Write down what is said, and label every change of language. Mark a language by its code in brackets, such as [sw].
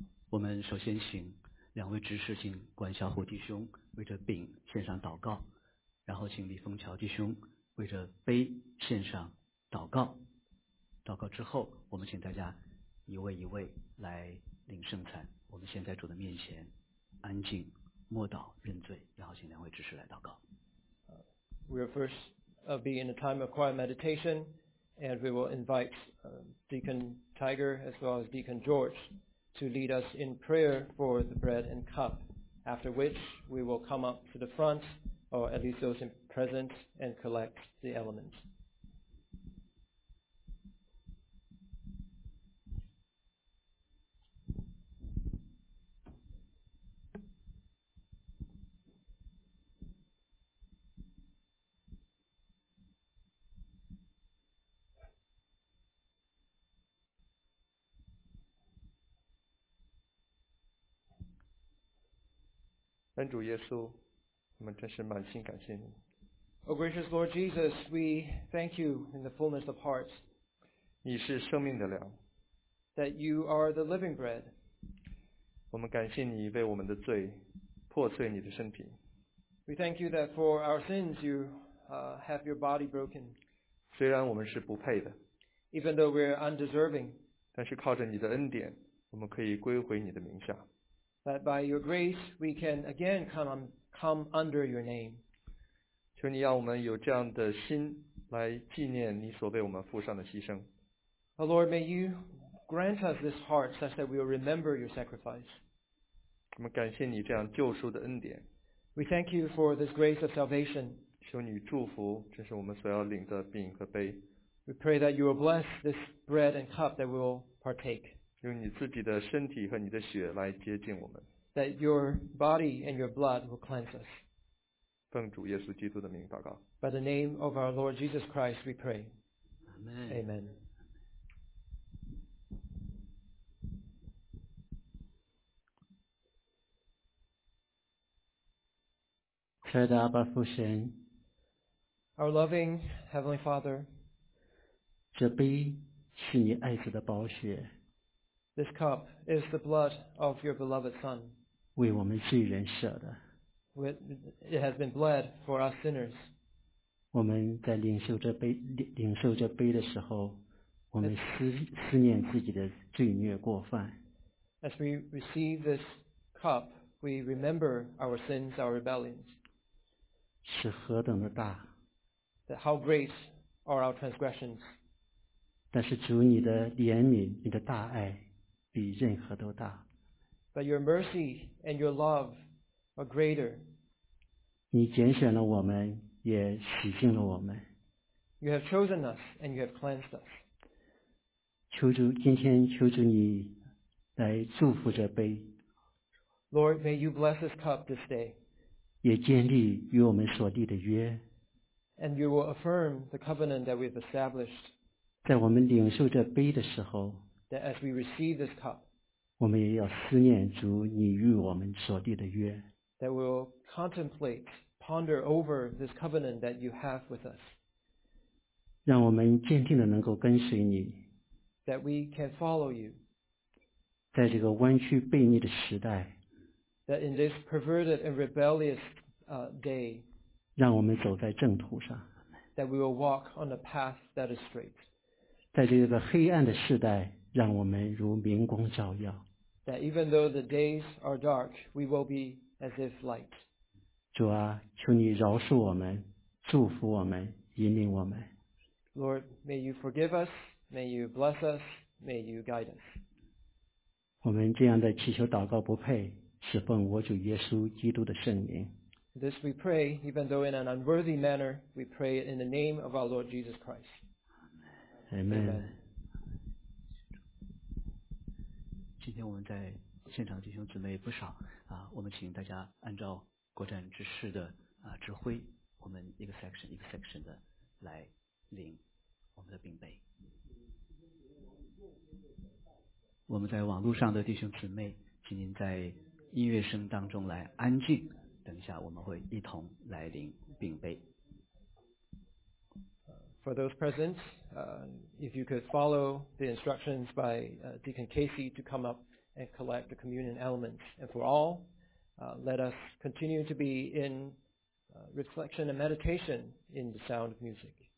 [zh] 我们首先请两位执事请关小虎弟兄为这饼献上祷告，然后请李丰桥弟兄为这杯献上祷告。祷告之后，我们请大家一位一位来领圣餐。我们先在主的面前安静默祷认罪，然后请两位执事来祷告。 [en] We're firstbe in a time of quiet meditation and we will invite Deacon Tiger as well as Deacon George to lead us in prayer for the bread and cup after which we will come up to the front or at least those in present and collect the elements [zh] 恩主耶稣，我们真是满心感谢你。 [en] O gracious Lord Jesus, we thank you in the fullness of heart. [zh] 你是生命的粮。 [en] That you are the living bread. [zh] 我们感谢你为我们的罪破碎你的身体。 [en] We thank you that for our sins you have your body broken. [zh] 虽然我们是不配的。 [en] Even though we're undeserving. [zh] 但是靠着你的恩典，我们可以归回你的名下。 [en] That by your grace we can again come under your name. [zh] 求你让我们有这样的心来纪念你所为我们付上的牺牲。 [en] Oh Lord, may you grant us this heart such that we will remember your sacrifice. [zh] 我们感谢你这样救赎的恩典。 [en] We thank you for this grace of salvation. [zh] 求你祝福，这是我们所要领的饼和杯。 [en] We pray that you will bless this bread and cup that we will partake. [zh] 用你自己的身体和你的血来洁净我们。 [en] That your body and your blood will cleanse us. [zh] 奉主耶稣基督的名祷告。 [en] By the name of our Lord Jesus Christ, we pray. Amen. Amen. [zh] 亲爱的阿爸父神 [en] ，Our loving Heavenly Father， [zh] 这杯是你爱子的宝血 [en] ，This cup is the blood of your beloved Son， [zh] 为我们罪人舍的 [en] ，It has been bled for us sinners。 [zh] 我们在领受这杯的时候，我们思念自己的罪孽过犯 [en] ，As we receive this cup， we remember our sins， our rebellions。 [zh] 是何等的大 [en] that how great are our transgressions [zh] 但是主你的怜悯你的大爱比任何都大 [en] but your mercy and your love are greater [zh] 你拣选了我们也洗净了我们 [en] you have chosen us and you have cleansed us [zh] 求主今天求主你来祝福这杯 [en] Lord may you bless this cup this day [zh] 也建立与我们所立的约 [en] and you will affirm the covenant that we've established [zh] 在我们领受这杯的时候 [en] that as we receive this cup [zh] 我们也要思念主你与我们所立的约 [en] that we'll contemplate, ponder over this covenant that you have with us [zh] 让我们坚定地能够跟随你 [en] that we can follow you [zh] 在这个弯曲悖逆的时代 [en] That in this perverted and rebellious day, [zh] 让我们走在正途上 [en] that we will walk on a path that is straight. [zh] 在这个黑暗的时代，让我们如明光照耀 [en] that even though the days are dark, we will be as if light. [zh] 主啊，求你饶恕我们，祝福我们，引领我们。 [en] Lord, may you forgive us, may you bless us, may you guide us. [zh] 我们这样的祈求祷告不配。是奉我主耶稣基督的圣名。 [en] This we pray, even though in an unworthy manner, we pray in the name of our Lord Jesus Christ. Amen. [zh] 今天我们在现场弟兄姊妹不少啊，我们请大家按照国战之师的啊指挥，我们一个 section 一个 section 的来领我们的饼杯。我们在网络上的弟兄姊妹，请您在音乐声当中来安静，等一下我们会一同来领饼杯。 [en] For those present, if you could follow the instructions by Deacon Casey to come up and collect the communion elements, and for all, let us continue to be in reflection and meditation in the sound of music.